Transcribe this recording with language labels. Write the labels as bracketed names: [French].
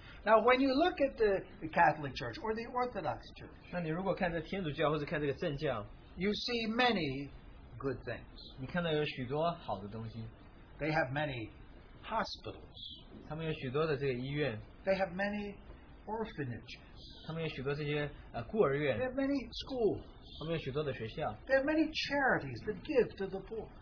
[English] Now, when you look at the Catholic Church or the Orthodox Church, [Chinese] 那你如果看这天主教或者看这个正教, [English] you see many good things. [Chinese] 你看到有许多好的东西, [English] they have many hospitals. [Chinese] 他们有许多的这个医院, [English] they have many orphanages. [Chinese] 他们有许多这些, 孤儿院, [English] they have many schools. [Chinese] 他们有许多的学校, [English] they have many charities that give to the poor.